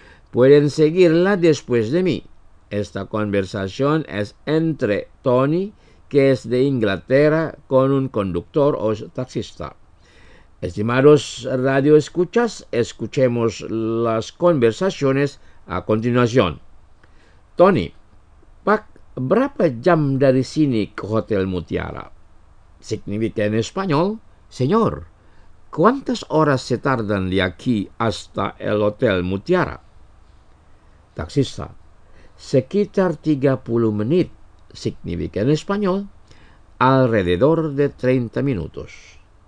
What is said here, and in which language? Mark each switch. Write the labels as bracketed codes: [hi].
[es] Pueden seguirla después de mí. Esta conversación es entre Tony, que es de Inglaterra, con un conductor o taxista. Estimados radioescuchas, escuchemos las conversaciones a continuación. [id] Tony, Pak, ¿berapa jam dari sini ke Hotel Mutiara? [es] Significa en español, señor, ¿cuántas horas se tardan de aquí hasta el Hotel Mutiara? Taxista, [id] sekitar 30 menit, [es] significa en español, alrededor de 30 minutos.